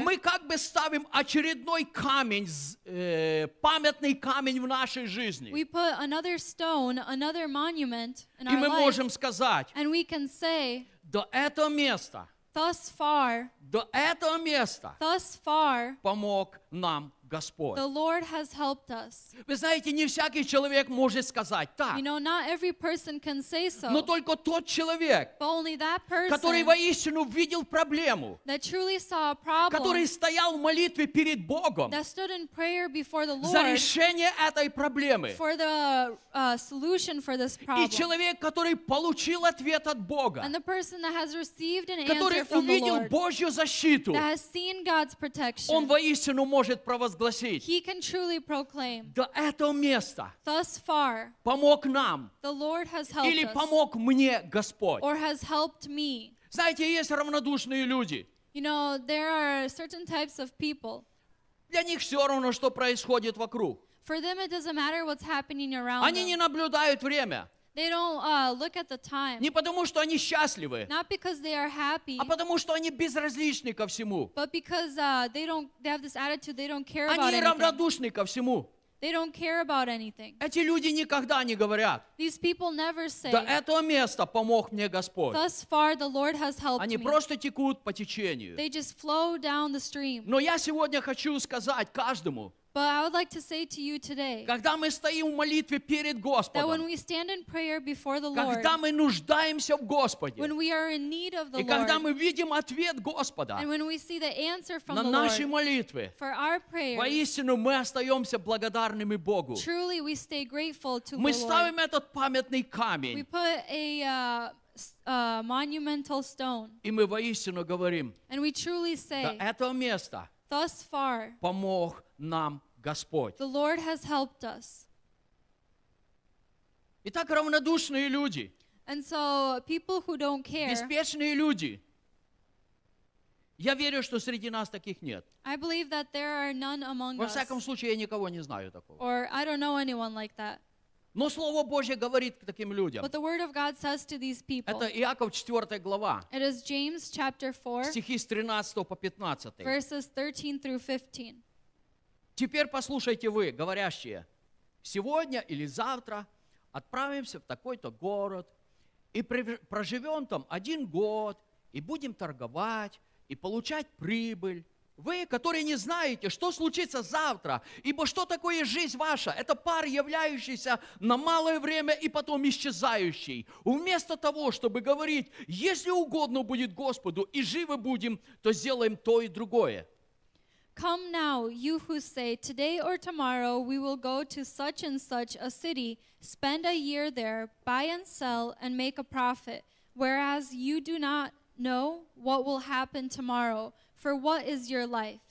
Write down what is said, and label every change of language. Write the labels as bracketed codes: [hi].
[ru] мы как бы ставим очередной камень, памятный камень в нашей жизни. [en] We put another stone, another monument in our life. [ru] И мы можем сказать, [en] and we can say, [ru] до этого места [en] thus far, [ru] до этого места [en] thus far, [ru] помог нам Господь. [en] The Lord has helped us. [ru] Вы знаете, не всякий человек может сказать так. [en] You know, not every person can say so. [ru] Но только тот человек, [en] but only that person, [ru] который воистину видел проблему, [en] that truly saw a problem, [ru] который стоял в молитве перед Богом, [en] that stood in prayer before the Lord, [ru] за решение этой проблемы. [en] For the solution for this problem. [ru] И человек, который получил ответ от Бога, [en] and the person that has received an answer from the Lord, [ru] который увидел Божью защиту, [en] that has seen God's protection, [ru] он воистину может провозгласить. [en] He can truly proclaim. [ru] До этого места. [en] Thus far. [ru] Помог нам. [en] The Lord has helped us. [ru] Или помог мне Господь. [en] Or has helped me. [ru] Знаете, есть равнодушные люди. [en] You know, there are certain types of people. [ru] Для них все равно, что происходит вокруг. [en] For them, it doesn't matter what's happening around. [ru] Они не наблюдают время. [en] They don't look at the time. [ru] Не потому, что они счастливы. [en] Not because they are happy. [ru] А потому, что они безразличны ко всему. [en] But because they have this attitude, they don't care [ru] about [en] anything. [ru] Они равнодушны ко всему. [en] They don't care about anything. [ru] Эти люди никогда не говорят. [en] These people never say. [ru] До этого места помог мне Господь. [en] Thus far, the Lord has helped [ru] они [en] me. [ru] Они просто текут по течению. [en] They just flow down the stream. [ru] Но я сегодня хочу сказать каждому. [en] But I would like to say to you today. [ru] Когда мы стоим в молитве перед Господом. [en] That when we stand in prayer before the [ru] когда [en] Lord. [ru] Когда мы нуждаемся в Господе. [en] When we are in need of the [ru] и [en] Lord. [ru] И когда мы видим ответ Господа. [en] And when we see the answer from [ru] на [en] the [ru] нашей [en] Lord, [ru] молитве. [en] For our prayer. [ru] Воистину мы остаемся благодарными Богу. [en] Truly we stay grateful to [ru] мы [en] the Lord. [ru] Мы ставим этот памятный камень. [en] We put a monumental stone. [ru] И мы воистину говорим. [en] And we truly say. [ru] До этого места. [en] Thus far. [ru] Помог нам Господь. [en] The Lord has helped us. [ru] Итак, равнодушные люди. [en] And so people who don't care. [ru] Беспечные люди. Я верю, что среди нас таких нет. [en] I believe that there are none among us. [ru] Во всяком случае, я никого не знаю такого. [en] Or I don't know anyone like that. [ru] Но Слово Божье говорит к таким людям. [en] But the Word of God says to these people. [ru] Это Иаков 4 глава. [en] It is James chapter 4. [ru] Стихи с 13 по 15. [en] Verses 13 through 15. [ru] Теперь послушайте вы, говорящие, сегодня или завтра отправимся в такой-то город и проживем там один год и будем торговать и получать прибыль. Вы, которые не знаете, что случится завтра, ибо что такое жизнь ваша? Это пар, являющийся на малое время и потом исчезающий. Вместо того, чтобы говорить, если угодно будет Господу и живы будем, то сделаем то и другое. [en] Come now, you who say, today or tomorrow we will go to such and such a city, spend a year there, buy and sell, and make a profit. Whereas you do not know what will happen tomorrow, for what is your life?